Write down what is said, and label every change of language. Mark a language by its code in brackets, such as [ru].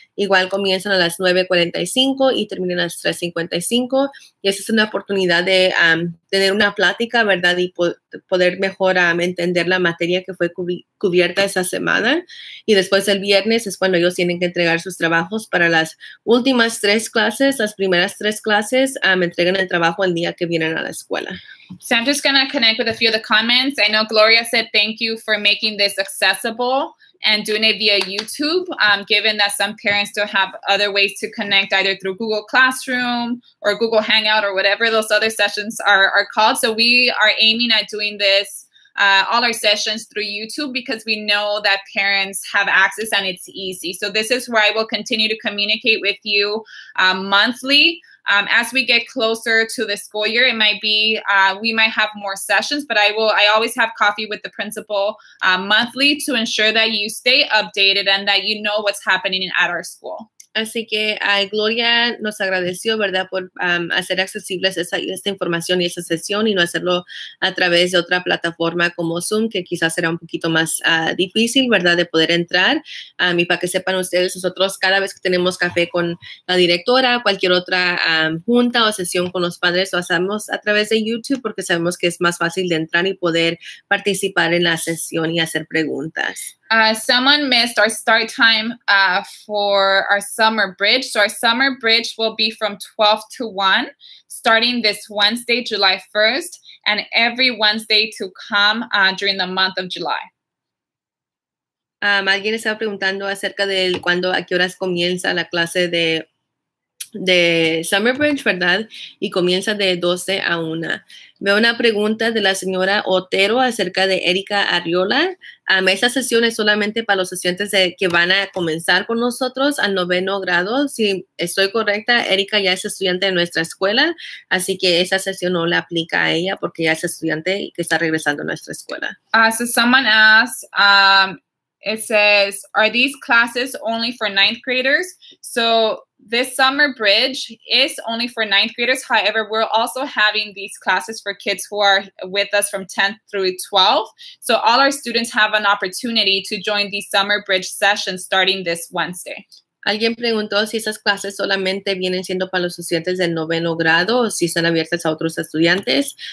[es] Igual comienzan a las 9:45 y terminan a las 3:55 y esa es una oportunidad de tener una plática, ¿verdad? Y poder mejor entender la materia que fue cubierta esa semana. Y después el viernes es cuando ellos tienen que entregar sus trabajos para las últimas tres clases. Las primeras tres clases entregan el trabajo el día que vienen a la escuela. [en] So I'm just going to connect with a few of the comments. I know Gloria said thank you for making this accessible and doing it via YouTube, given that some parents don't have other ways to connect either through Google Classroom or Google Hangout or whatever those other sessions are called. So we are aiming at doing this, all our sessions through YouTube because we know that parents have access and it's easy. So this is where I will continue to communicate with you monthly. As we get closer to the school year, it might be we might have more sessions, but I always have coffee with the principal monthly to ensure that you stay updated and that you know what's happening at our school. [es] Así que Gloria nos agradeció, ¿verdad?, por hacer accesibles esta información y esa sesión y no hacerlo a través de otra plataforma como Zoom, que quizás será un poquito más difícil, ¿verdad?, de poder entrar. Y para que sepan ustedes, nosotros cada vez que tenemos café con la directora, cualquier otra junta o sesión con los padres, lo hacemos a través de YouTube porque sabemos que es más fácil de entrar y poder participar en la sesión y hacer preguntas. [en] Someone missed our start time for our summer bridge. So our summer bridge will be from 12 to 1, starting this Wednesday, July 1st, and every Wednesday to come during the month of July. [es] Alguien estaba preguntando acerca de cuándo, a qué horas comienza la clase de Summer Bridge, ¿verdad? Y comienza de 12 a 1. Veo una pregunta de la señora Otero acerca de Erika Arriola. Esa sesión es solamente para los estudiantes que van a comenzar con nosotros al noveno grado. Si estoy correcta, Erika ya es estudiante de nuestra escuela, así que esa sesión no la aplica a ella porque ya es estudiante y que está regresando a nuestra escuela. [en] So someone asked, It says, are these classes only for ninth graders? So this summer bridge is only for ninth graders. However, we're also having these classes for kids who are with us from 10th through 12th. So all our students have an opportunity to join these summer bridge sessions starting this Wednesday. [es] Alguien preguntó si esas clases solamente vienen siendo para los estudiantes del noveno grado o si están abiertas a otros estudiantes.